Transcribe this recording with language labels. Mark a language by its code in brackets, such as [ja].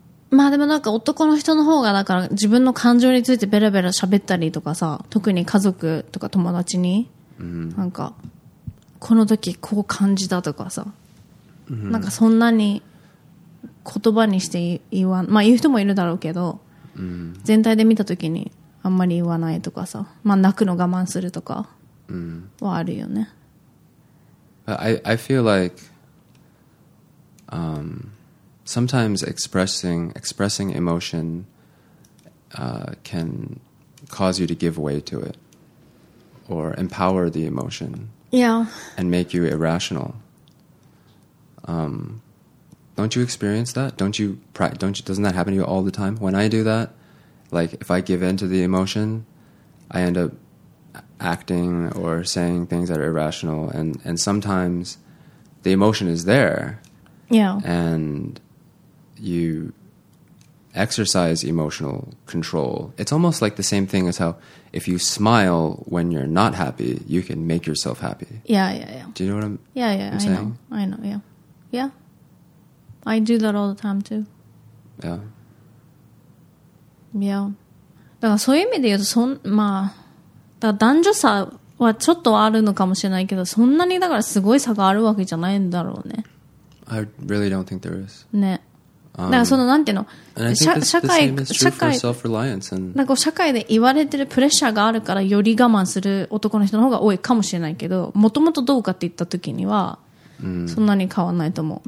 [ja] まあでもなんか男の人の方がだから自分の感情についてベラベラ喋ったりとかさ、特に家族とか友達に、なんかこの時こう感じたとかさ、なんかそんなに言葉にして言わん、まあ言う人もいるだろうけど、全体で見た時にあんまり言わないとかさ、まあ泣くの我慢するとか。 [en] But I feel like sometimes expressing emotion can cause you to give way to it or empower the emotion. Yeah. And make you irrational. Don't you experience that? Doesn't that happen to you all the time? When I do that, like if I give in to the emotion, I end up. acting or saying things that are irrational, and sometimes the emotion is there, yeah, and you exercise emotional control. It's almost like the same thing as how if you smile when you're not happy, you can make yourself happy. Yeah. Do you know what I'm saying? I know. Yeah. I do that all the time too. Yeah. [ja] だからそういう意味で言うと、だ男女差はちょっとあるのかもしれないけど、そんなにだからすごい差があるわけじゃないんだろうね。 [en] I really don't think there is. [ja] ね。だからそのなんていうの、社会で言われてるプレッシャーがあるからより我慢する男の人の方が多いかもしれないけど、もともとどうかって言った時にはそんなに変わらないと思う。